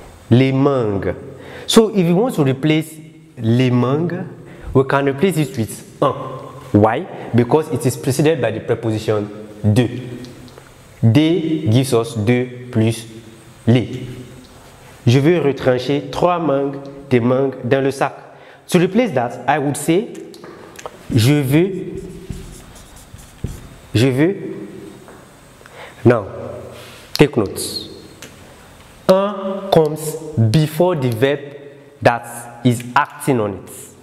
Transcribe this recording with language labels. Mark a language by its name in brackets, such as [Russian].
[English] Les mangues. So, if you want to replace les mangues, we can replace it with un. Why? Because it is preceded by the preposition de. De gives us de plus les. [French] Je veux retrancher trois mangues, des mangues dans le sac. [English] To replace that, I would say, [French] je veux, [English] now, take notes. Un comes before the verb that is acting on it.